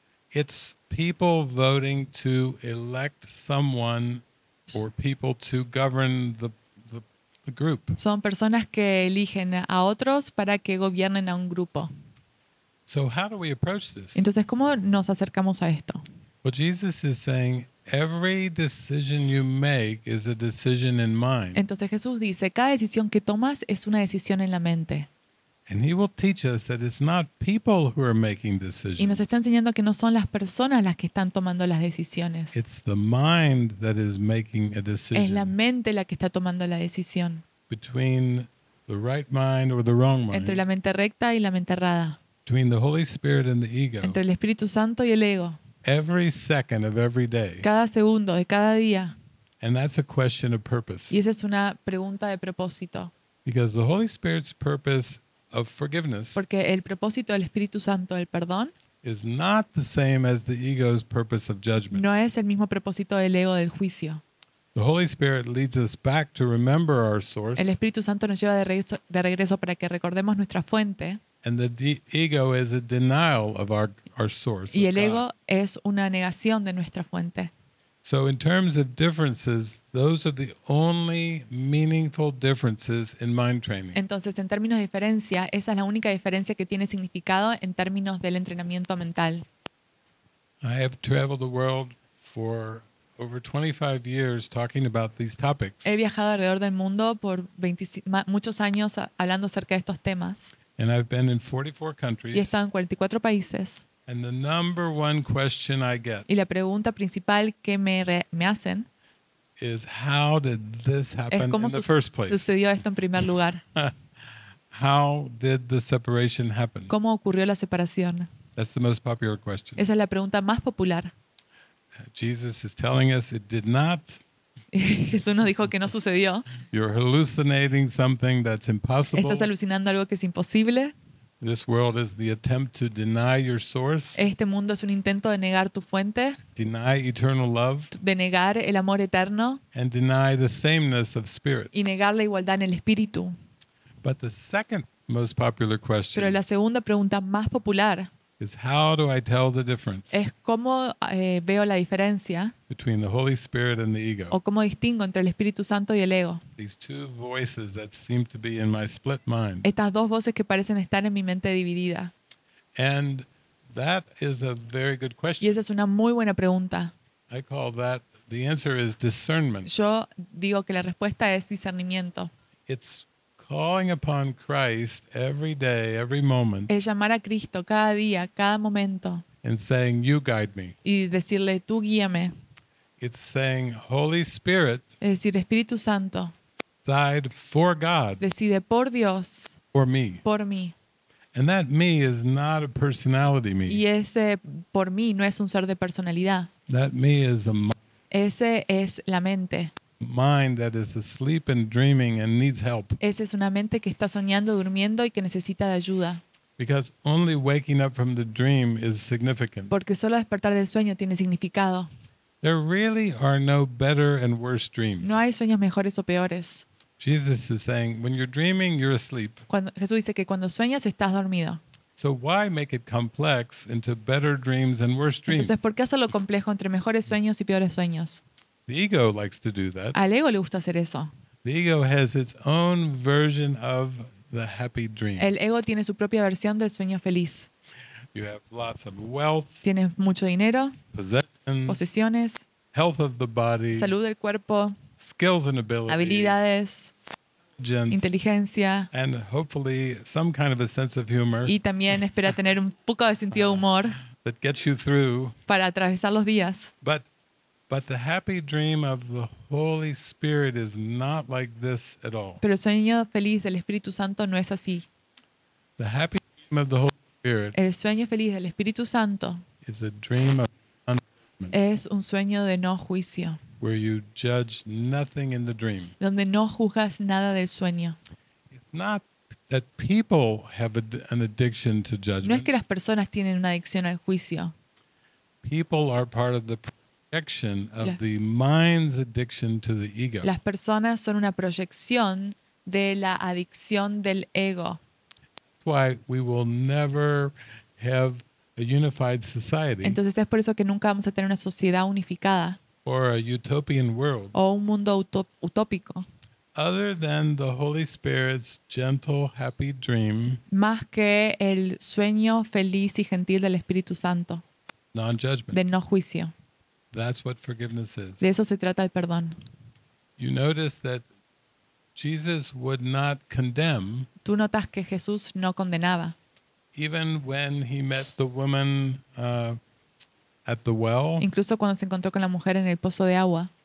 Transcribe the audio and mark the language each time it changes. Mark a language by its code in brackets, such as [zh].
[en] It's people voting to elect someone or people to govern the group. [es] Son personas que eligen a otros para que gobiernen a un grupo. [en] So how do we approach this? [es] Entonces, ¿cómo nos acercamos a esto? [en] Well, Jesus is saying every decision you make is a decision in mind. [es] Entonces Jesús dice, cada decisión que tomas es una decisión en la mente. [en] And he will teach us that it's not people who are making decisions. [es] Y nos está enseñando que no son las personas las que están tomando las decisiones. [en] It's the mind that is making a decision. [es] Es la mente la que está tomando la decisión. [en] Between the right mind or the wrong mind. [es] Entre la mente recta y la mente errada. [en] Between the Holy Spirit and the ego. [es] Entre el Espíritu Santo y el ego. [en] Every second of every day. [es] Cada segundo de cada día. [en] And that's a question of purpose. [es] Y esa es una pregunta de propósito. [en] Because the Holy Spirit's purpose of forgiveness. [es] Porque el propósito del Espíritu Santo del perdón [en] is not the same as the ego's purpose of judgment. [es] No es el mismo propósito del ego del juicio. [en] The Holy Spirit leads us back to remember our source. [es] El Espíritu Santo nos lleva de regreso para que recordemos nuestra fuente. [en] And the ego is a denial of our source. [es] Y el ego es una negación de nuestra fuente. [en] So in terms of differences, those are the only meaningful differences in mind training. [es] Entonces, en términos de diferencia, esa es la única diferencia que tiene significado en términos del entrenamiento mental. [en] I have traveled the world for over 25 years talking about these topics. [es] He viajado alrededor del mundo por muchos años hablando acerca de estos temas. [en] And I've been in 44 countries. [es] Y he estado en 44 países. [en] And the number one question I get. [es] Y la pregunta principal que me hacen [en] is how did this happen in the first place? [es] ¿Cómo sucedió esto en primer lugar? [en] How did the separation happen? [es] ¿Cómo ocurrió la separación? [en] That's the most popular question. [es] Esa es la pregunta más popular. [en] Jesus is telling us it did not. [es] Jesús nos dijo que no sucedió. [en] You're hallucinating something that's impossible. [es] Estás alucinando algo que es imposible. [en] This world is the attempt to deny your source. [es] Este mundo es un intento de negar tu fuente. [en] Deny eternal love. [es] De negar el amor eterno. [en] And deny the sameness of spirit. [es] Y negar la igualdad en el espíritu. [en] But the second most popular question. [es] Pero la segunda pregunta más popular. [en] Is how do I tell the difference? [es] Es cómo veo la diferencia. [en] Between the Holy Spirit and the ego. [es] O cómo distingo entre el Espíritu Santo y el ego. [en] These two voices that seem to be in my split mind. [es] Estas dos voces que parecen estar en mi mente dividida. [en] And that is a very good question. [es] Y esa es una muy buena pregunta. [en] I call that the answer is discernment. [es] Yo digo que la respuesta es discernimiento. [en] It's calling upon Christ every day, every moment. [es] Es llamar a Cristo cada día, cada momento. [en] And saying, "You guide me." [es] Y decirle, "Tú guíame." [en] It's saying, "Holy Spirit." [es] Es decir, Espíritu Santo. [en] Decide for God. [es] Decide por Dios. [en] For me. [es] Por mí. [en] And that me is not a personality me. [es] Y ese por mí no es un ser de personalidad. [en] That me is a. [es] Ese es la mente. [en] Mind that is asleep and dreaming and needs help. [es] Esa es una mente que está soñando, durmiendo y que necesita de ayuda. [en] Because only waking up from the dream is significant. [es] Porque solo despertar del sueño tiene significado. [en] There really are no better and worse dreams. [es] No hay sueños mejores o peores. [en] Jesus is saying, when you're dreaming, you're asleep. [es] Cuando Jesús dice que cuando sueñas estás dormido. [en] So why make it complex into better dreams and worse dreams? [es] Entonces, ¿por qué hacerlo complejo entre mejores sueños y peores sueños? [en] The ego likes to do that. [es] Al ego le gusta hacer eso. [en] The ego has its own version of the happy dream. [es] El ego tiene su propia versión del sueño feliz. [en] You have lots of wealth. [es] Tienes mucho dinero. [en] Possessions. [es] Posesiones. [en] Health of the body. [es] Salud del cuerpo. [en] Skills and abilities. [es] Habilidades. Inteligencia. [en] And hopefully some kind of a sense of humor. [es] Y también espera tener un poco de sentido de humor. [en] That gets you through. [es] Para atravesar los días. [en] But the happy dream of the Holy Spirit is not like this at all. [es] Pero el sueño feliz del Espíritu Santo no es así. [en] The happy dream of the Holy Spirit. [es] El sueño feliz del Espíritu Santo. [en] Is a dream of. [es] Es un sueño de no juicio. [en] Where you judge nothing in the dream. [es] Donde no juzgas nada del sueño. [en] It's not that people have an addiction to judgment. [es] No es que las personas tienen una adicción al juicio. [en] People are part of the. Projection of the mind's addiction to the ego. [es] Las personas son una proyección de la adicción del ego. [en] Why we will never have a unified society. [es] Entonces es por eso que nunca vamos a tener una sociedad unificada. [en] Or a utopian world. [es] O un mundo utópico. [en] Other than the Holy Spirit's gentle, happy dream. [es] Más que el sueño feliz y gentil del Espíritu Santo. [en] Non-judgment. [es] De no juicio. [en] That's what forgiveness is. [es] De eso se trata el perdón. [en] You notice that Jesus would not condemn. [es] Tú notas que Jesús no condenaba. [en] Even when he met the woman at the well. [es] Incluso cuando se encontró con la mujer en el pozo de agua.